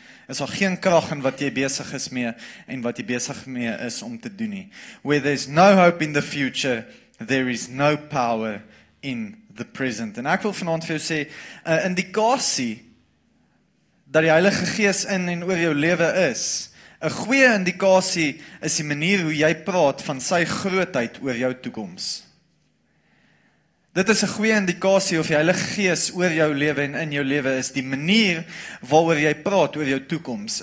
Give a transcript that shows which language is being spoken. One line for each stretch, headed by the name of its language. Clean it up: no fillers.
Afrikaans: Is al geen krag in wat jy besig is mee en wat jy besig mee is om te doen nie.
English: Where there is no hope in the future, there is no power in the present.
Afrikaans: En ek wil vanavond vir jou sê, indikasie dat die Heilige Gees in en oor jou lewe is, 'n goeie indikasie is die manier hoe jy praat van sy grootheid oor jou toekoms. Dit is 'n goeie indikasie of die Heilige Gees oor jou lewe en in jou lewe is die manier waaroor jy praat oor jou toekoms.